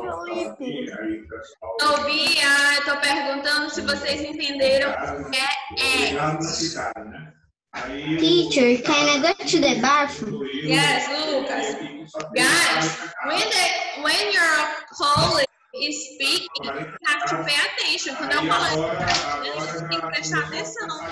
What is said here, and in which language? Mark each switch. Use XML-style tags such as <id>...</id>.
<pt>No, Bia, eu tô perguntando se vocês entenderam o que é X.</pt> <en>Teacher, can I go to the bathroom? Yes, Lucas. Guys, when your colleague is speaking, you have to pay attention.</en> <pt>Quando eu falo, você tem que prestar atenção.</pt>